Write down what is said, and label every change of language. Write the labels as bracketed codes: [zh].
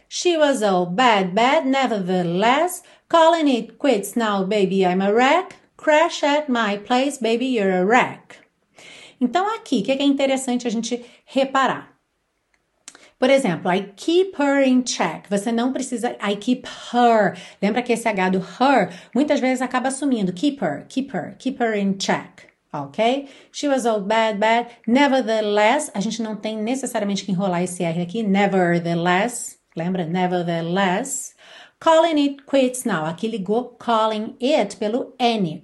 [en] She was all bad, bad, nevertheless. Calling it quits now, baby, I'm a wreck. Crash at my place, baby, you're a wreck. [pt] Então, aqui, o que é interessante a gente reparar? Por exemplo, [en] I keep her in check. [pt] Você não precisa, [en] I keep her. [pt] Lembra que esse H do her, muitas vezes acaba sumindo. [en] Keep her, keep her, keep her in check. Ok? She was all bad, bad. Nevertheless, [pt] a gente não tem necessariamente que enrolar esse R aqui. [en] Nevertheless, [pt] lembra? [en] Nevertheless. Calling it quits now. [pt] Aqui ligou [en] calling it [pt] pelo N.